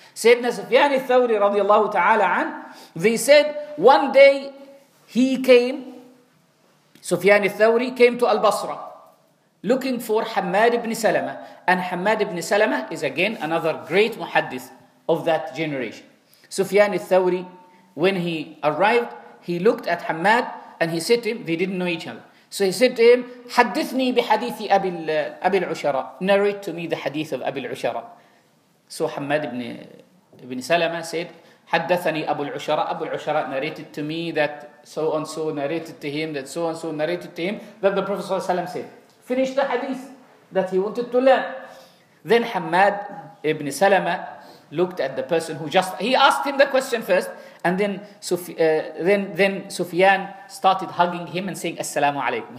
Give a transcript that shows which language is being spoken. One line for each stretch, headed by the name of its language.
English: Sayyidina Sufyan al-Thawri, radiallahu ta'ala anhu, they said, one day he came, Sufyan al-Thawri came to al-Basra, looking for Hammad ibn Salama. And Hammad ibn Salama is again another great muhaddith of that generation. Sufyan al-Thawri, when he arrived, he looked at Hammad and he said to him, they didn't know each other. So he said to him,
Arabic: حدثني بحديث أبي العشرة.
English: Narrate to me the hadith of أبي العشرة. So Hammad ibn Salama said,
Arabic: حدثني أبو العشرة.
English: أبو العشرة narrated to me that so-and-so narrated to him, that so-and-so narrated to him, that the Prophet ﷺ said. Finish the hadith that he wanted to learn. Then Hammad ibn Salama looked at the person who just... He asked him the question first, and then Sufyan started hugging him and saying, Assalamu alaikum.